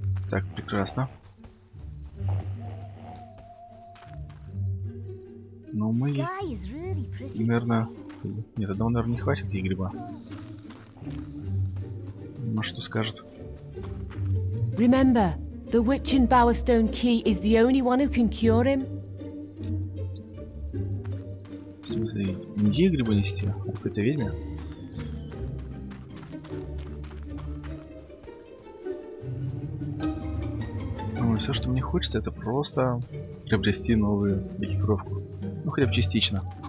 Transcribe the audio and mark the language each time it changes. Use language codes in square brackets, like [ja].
[ru] Так, прекрасно. Но мы, наверное, нет, одного, наверное, не хватит, и гриба. Может, что скажет? [en] Remember, the witch in Bowerstone Key is the only one who can cure him. [ru] В смысле, не гриба нести, а какой-то ведьме? Ну, все, что мне хочется, это просто приобрести новую экипировку. Ну, хотя бы частично.